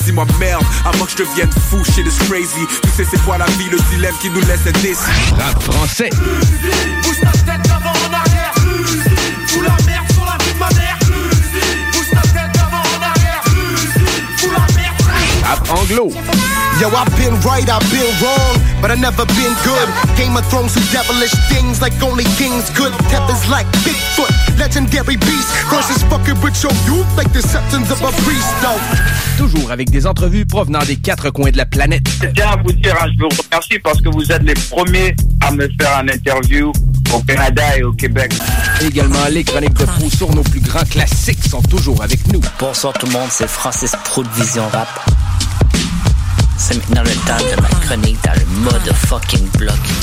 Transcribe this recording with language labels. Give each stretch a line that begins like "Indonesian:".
French: Dis-moi merde avant que je devienne fou.
English: Shit is crazy.
French: Tu sais c'est quoi la vie, le dilemme qui nous laisse être ici. Rap français. Bouge ta tête d'avant en arrière. Fous la merde sur la vie de ma mère. Bouge ta tête d'avant en arrière. Fous la merde. Rap anglo.
English: Yo, I've been right, I've been wrong, but I've never been good. Game of Thrones do devilish things like only kings could. Tethers like Bigfoot, legendary beast. Crosses fucking with your youth like the septons of a priest, though.
French: Toujours avec des entrevues provenant des quatre coins de la planète. Je tiens à vous dire, je vous remercie parce que vous êtes les premiers à me faire une interview au Canada et au Québec. Également, les chroniques de Proust sur nos plus grands classiques sont toujours avec nous. Bonsoir tout le monde, c'est Francis Proust de Vision Rap. C'est maintenant le temps de ma chronique dans le motherfucking bloc.